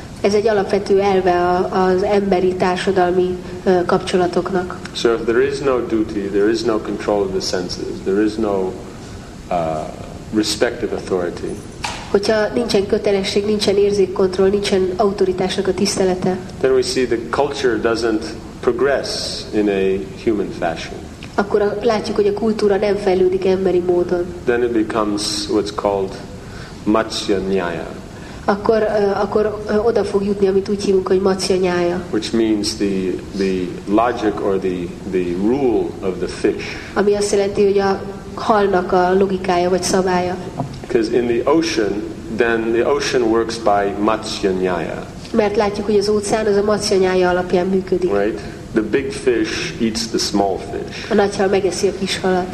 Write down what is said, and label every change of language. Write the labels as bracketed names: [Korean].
[Hungarian] Ez egy alapvető elve az emberi társadalmi kapcsolatoknak. [English] So if there is no duty, there is no control of the senses, there is no respect of authority. [Hungarian] Hogyha nincsen kötelesség, nincsen érzékkontroll, nincsen autoritásnak a tisztelete. [English] Then we see the culture doesn't progress in a human fashion. [Hungarian] Akkor látjuk, hogy a kultúra nem fejlődik emberi módon. [English] Then it becomes what's called matsya nyaya. [Hungarian] Akkor oda fog jutni, amit úgy hívunk, hogy matsya nyaya. [English] Which means the logic or the rule of the fish. [Hungarian] Ami azt jelenti, hogy a halnak a logikája vagy szabálya. [English] Because in the ocean, then the ocean works by matsyanyaya. [Hungarian] Mert látjuk, hogy az óceán az a matsyanyaya alapján működik. [English] Right? The big fish eats the small fish. [Hungarian] A nagy hal megeszi a kis halat.